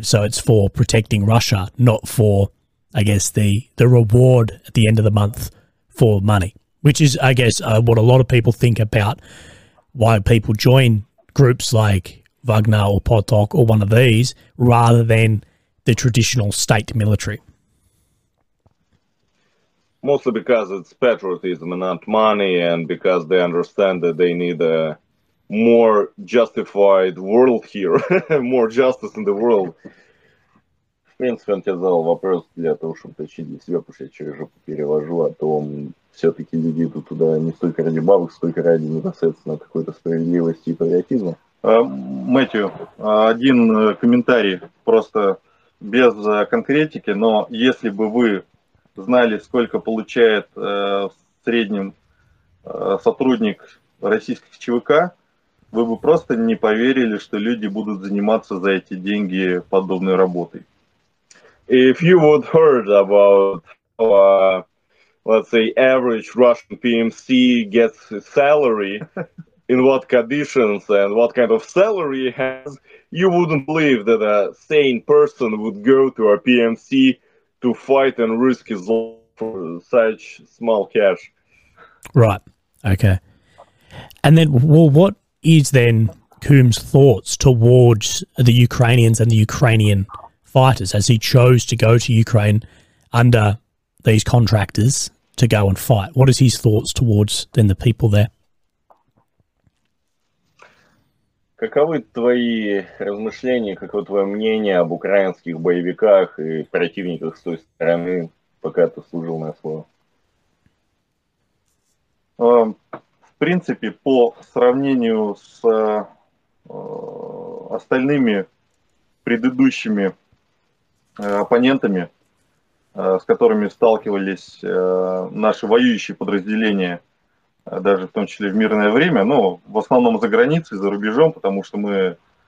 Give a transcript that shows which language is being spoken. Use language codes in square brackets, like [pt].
[en] So it's for protecting Russia, not for, I guess, the reward at the end of the month for money, which is, I guess, what a lot of people think about why people join groups like Wagner or Potok or one of these rather than the traditional state military. Mostly because it's patriotism and not money, and because they understand that they need a more justified world here, more justice in the world. [ru] В принципе, он тебе задал вопрос для того, чтобы точнее себя, потому что я через жопу перевожу, а то он все-таки люди идут туда не столько ради бабок, сколько ради непосредственно какой-то справедливости и патриотизма. Мэтью, один комментарий, просто без конкретики, но если бы вы знали, сколько получает в среднем сотрудник российских ЧВК, вы бы просто не поверили, что люди будут заниматься за эти деньги подобной работой. [en] If you would heard about, let's say, average Russian PMC gets salary, in what conditions and what kind of salary he has, you wouldn't believe that a sane person would go to a PMC to fight and risk his life for such small cash. Right. Okay. And then, well, what is then Coombs' thoughts towards the Ukrainians and the Ukrainian fighters as he chose to go to Ukraine under these contractors to go and fight? What is his thoughts towards then the people there? [ru] Каковы твои размышления, каково твое мнение об украинских боевиках и противниках с той стороны, пока ты служил на СВО? В принципе, по сравнению с остальными предыдущими оппонентами, с которыми сталкивались наши воюющие подразделения, даже в том числе в мирное время, ну, в основном за границей, за рубежом, потому что мы,